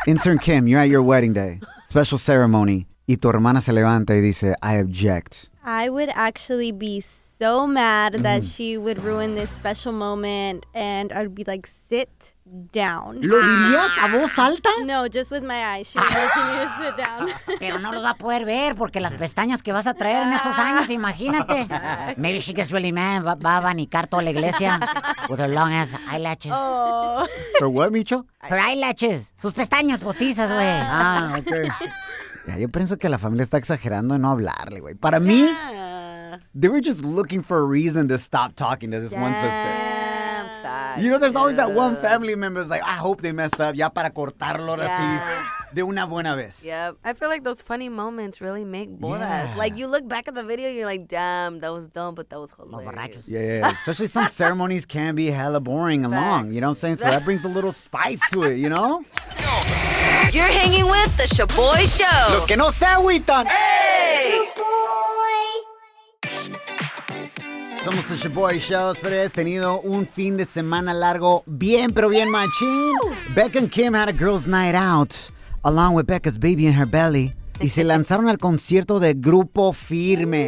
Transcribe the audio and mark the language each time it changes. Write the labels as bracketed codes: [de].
[en] Intern Kim, you're at your wedding day, special ceremony, [es] y tu hermana se levanta y dice, [en] I object. I would actually be so mad that she would ruin this special moment, and I'd be like, sit down. [es] ¿Lo dirías a voz alta? [en] No, just with my eyes. She would motion me to sit down. [es] Pero no los va a poder ver porque las pestañas que vas a traer en esos años, imagínate. [en] Maybe she gets really mad, [es] va a abanicar toda la iglesia [en] with her long ass eyelashes. ¿Her what, Micho? Her eyelashes. [es] Sus pestañas postizas, güey. Ah, ok. Ya, yo pienso que la familia está exagerando en no hablarle, güey. Para mí, [en] they were just looking for a reason to stop talking to this one sister. You know, there's always that one family member that's like, I hope they mess up. [es] Ya para cortarlo así de una buena vez. Yep. [en] I feel like those funny moments really make bodas. Yeah. Like, you look back at the video, you're like, damn, that was dumb, but that was hilarious. Yeah. Especially some ceremonies can be hella boring and long. You know what I'm saying? So that brings a little spice to it, you know? You're hanging with the Sha'Boy Show. [es] Los que no se agüitan. Hey! Somos el Sha'Boy Show. Espero que hayas tenido un fin de semana largo bien, pero bien machín. [en] Becca and Kim had a girls' night out, along with Becca's baby in her belly. [es] Y se lanzaron al concierto de Grupo Firme.